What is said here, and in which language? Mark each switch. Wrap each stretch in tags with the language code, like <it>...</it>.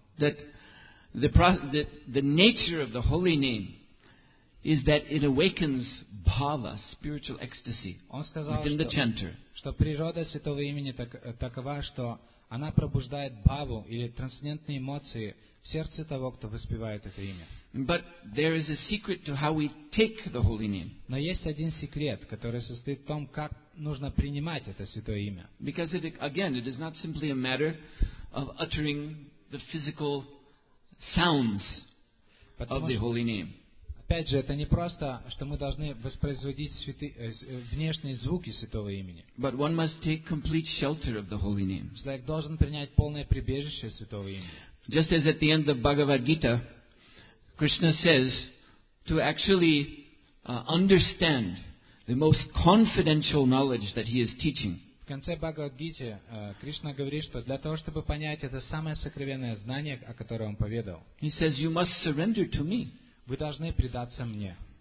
<en>That the nature of the holy name is that it awakens bhava, spiritual ecstasy,</en> <ru>сказал,</ru> <en>within the chanter.</en> <ru>Что природа святого имени такова, что она пробуждает бхаву или трансцендентные эмоции в сердце того, кто воспевает это имя.</ru> <en>But there is a secret to how we take the holy name.</en> <ru>Но есть один секрет, который состоит в том, как нужно принимать это святое имя.</ru> <en>Because it is not simply a matter of uttering the physical sounds of the holy name.</en> <ru>Опять же, это не просто, что мы должны воспроизводить внешние звуки святого имени.</ru> <en>But one must take complete shelter of the holy name.</en> <ru>Человек должен принять полное прибежище святого имени.</ru> <en>Just as at the end of Bhagavad Gita, Krishna says to actually understand the most confidential knowledge that he is teaching.</en> <ru>В конце Бхагавад-гиты Кришна говорит, что для того, чтобы понять это самое сокровенное знание, о котором он поведал,</ru> <en>he says, you must surrender to me.</en> <ru>Вы должны предаться мне.</ru>